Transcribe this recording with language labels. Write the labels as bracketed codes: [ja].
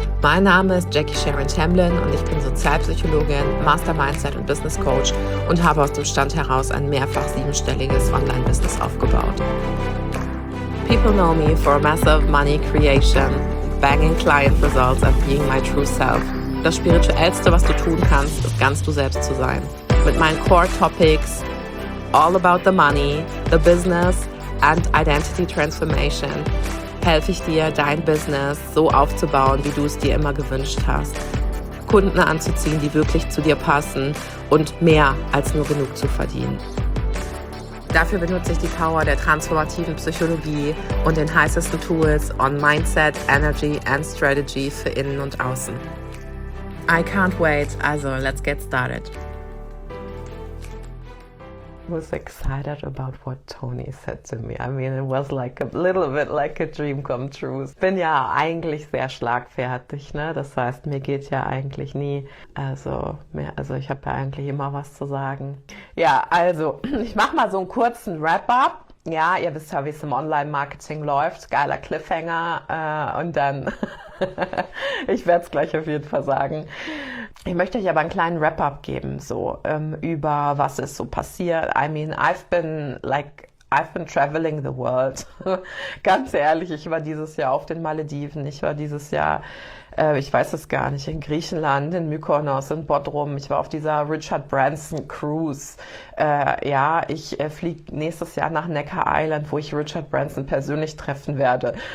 [de] Mein Name ist Jackie Sharon Tamblyn und ich bin Sozialpsychologin, Master Mindset und Business Coach und habe aus dem Stand heraus ein mehrfach siebenstelliges Online-Business aufgebaut. [en] People know me for massive money creation, banging client results and being my true self. [de] Das Spirituellste, was du tun kannst, ist ganz du selbst zu sein. Mit meinen Core Topics, [en] all about the money, the business and identity transformation, [de] helfe ich dir, dein Business so aufzubauen, wie du es dir immer gewünscht hast. Kunden anzuziehen, die wirklich zu dir passen und mehr als nur genug zu verdienen. Dafür benutze ich die Power der transformativen Psychologie und den heißesten Tools [en] on Mindset, Energy and Strategy [de] für innen und außen. [en] I can't wait, also let's get started. I was excited about what Tony said to me. I mean, it was like a little bit like a dream come true. [de] Ich bin ja eigentlich sehr schlagfertig, ne? Das heißt, mir geht ja eigentlich nie. Also ich habe ja eigentlich immer was zu sagen. Ja, also ich mache mal so einen kurzen Wrap-up. Ja, ihr wisst ja, wie es im Online-Marketing läuft. Geiler Cliffhanger. Und dann, ich werde es gleich auf jeden Fall sagen. Ich möchte euch aber einen kleinen Wrap-up geben, so über was ist so passiert. [en] I mean, I've been traveling the world. [de] Ganz ehrlich, ich war dieses Jahr auf den Malediven. Ich war dieses Jahr, ich weiß es gar nicht, in Griechenland, in Mykonos, in Bodrum. Ich war auf dieser Richard Branson Cruise. Ich fliege nächstes Jahr nach Necker Island, wo ich Richard Branson persönlich treffen werde.